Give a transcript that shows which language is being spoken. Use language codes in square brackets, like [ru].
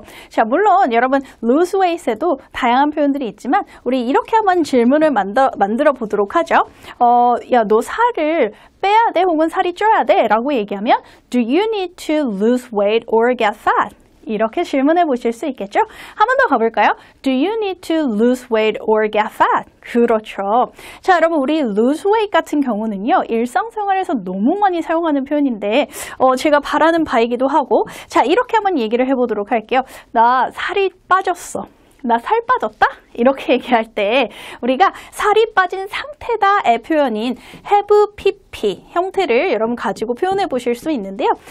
[ko] 자, 물론 여러분 lose weight 에도 다양한 표현들이 있지만 우리 이렇게 한번 질문을 만들어 보도록 하죠. 야, 너 살을 빼야 돼 혹은 살이 쪄야 돼 라고 얘기하면 [en] Do you need to lose weight or get fat? [ko] 이렇게 질문해 보실 수 있겠죠? 한 번 더 가볼까요? [en] Do you need to lose weight or get fat? [ko] 그렇죠. 자, 여러분 우리 lose weight 같은 경우는요. 일상생활에서 너무 많이 사용하는 표현인데 제가 바라는 바이기도 하고 자, 이렇게 한번 얘기를 해보도록 할게요. 나 살이 빠졌어. 나 살 빠졌다? 이렇게 얘기할 때 우리가 살이 빠진 상태다의 표현인 have pp 형태를 여러분 가지고 표현해 보실 수 있는데요.